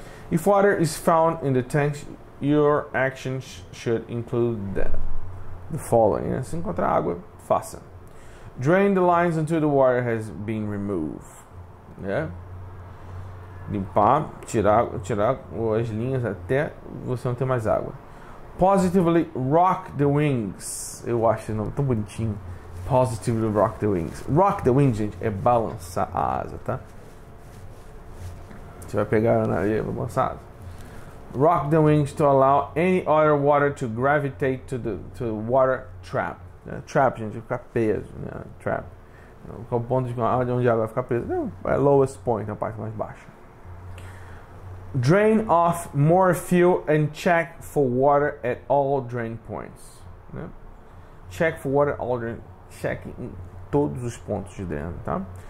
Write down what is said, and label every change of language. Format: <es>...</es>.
<en>If water is found in the tanks, your actions should include the following.</en> <pt>Né? Se encontrar água, faça.</pt> <en>Drain the lines until the water has been removed.</en> <pt>Né? Limpar, tirar as linhas até você não ter mais água.</pt> <en>Positively rock the wings.</en> <pt>Eu acho esse nome tão bonitinho.</pt> <en>Positively rock the wings. Rock the wings,</en> <pt>gente, é balançar a asa, tá? Você vai pegar na areia, vai balançar a asa.</pt> <en>Rock the wings to allow any other water to gravitate to the water trap.</en> <pt>Trap, gente, ficar preso, né? Trap. Qual o ponto de onde a água vai ficar presa? É o lowest point, a parte mais baixa.</pt> <en>Drain off more fuel and check for water at all drain points.</en> <pt>Né?</pt> <en>Check for water all drain.</en> <pt>Check em todos os pontos de dreno, tá?</pt>